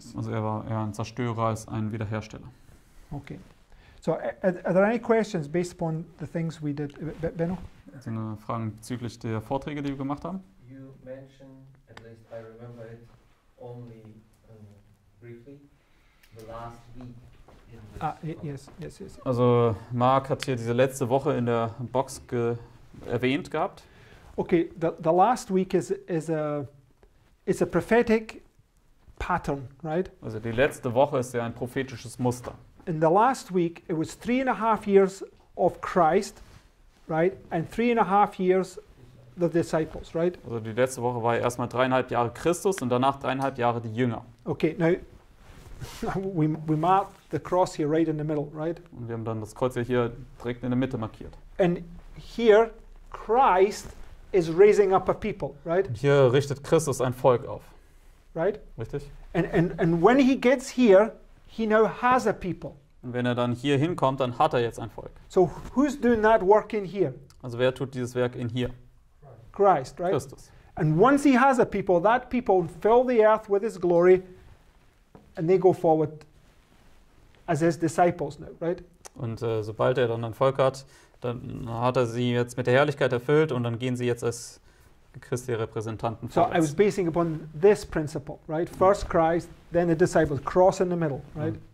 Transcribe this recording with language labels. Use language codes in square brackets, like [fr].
[de] Also er war eher ein Zerstörer als ein Wiederhersteller. [en] Okay. So, are there any questions based upon the things we did, Benno? [de] Sind Fragen bezüglich der Vorträge, die wir gemacht haben? [en] You mentioned, at least I remember it, only briefly, the last week. Yes. [de] Also Mark hat hier diese letzte Woche in der Box erwähnt gehabt. [en] Okay, the last week is a prophetic pattern, right? [de] Also die letzte Woche ist ja ein prophetisches Muster. [en] In the last week, it was 3.5 years of Christ, right? And 3.5 years the disciples, right? [de] Also die letzte Woche war ja erstmal 3.5 Jahre Christus und danach 3.5 Jahre die Jünger. [en] Okay, now we mark the cross here right in the middle, right? [de] Und wir haben dann das Kreuz hier direkt in der Mitte markiert. [en] And here, Christ is raising up a people, right? [de] Hier richtet Christus ein Volk auf. [en] Right? [de] Richtig. [en] And when he gets here, he now has a people. [de] Und wenn er dann hier hinkommt, dann hat er jetzt ein Volk. [en] So who's doing that work in here? [de] Also wer tut dieses Werk in hier? [en] Christ, right? [de] Christus. [en] And once he has a people, that people fill the earth with his glory and they go forward as his disciples now, right? [de] Und sobald er dann ein Volk hat, dann hat er sie jetzt mit der Herrlichkeit erfüllt und dann gehen sie jetzt als Christi Repräsentanten. [en] So I was basing upon this principle, right? First Christ, then the disciples, cross in the middle, right?